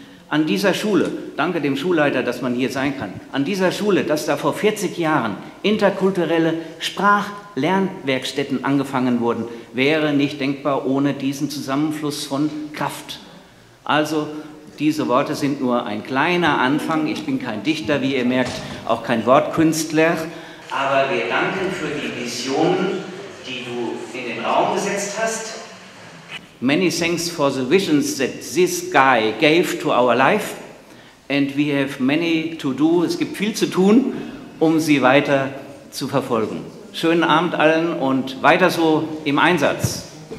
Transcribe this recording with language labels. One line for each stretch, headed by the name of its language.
German: An dieser Schule, danke dem Schulleiter, dass man hier sein kann, an dieser Schule, dass da vor 40 Jahren interkulturelle Sprachlernwerkstätten angefangen wurden, wäre nicht denkbar ohne diesen Zusammenfluss von Kraft. Also, diese Worte sind nur ein kleiner Anfang. Ich bin kein Dichter, wie ihr merkt, auch kein Wortkünstler. Aber wir danken für die Vision, die du in den Raum gesetzt hast.
English: Many thanks for the visions that this guy gave to our life. And we have many to do.
German: Es gibt viel zu tun, um sie weiter zu verfolgen. Schönen Abend allen und weiter so im Einsatz.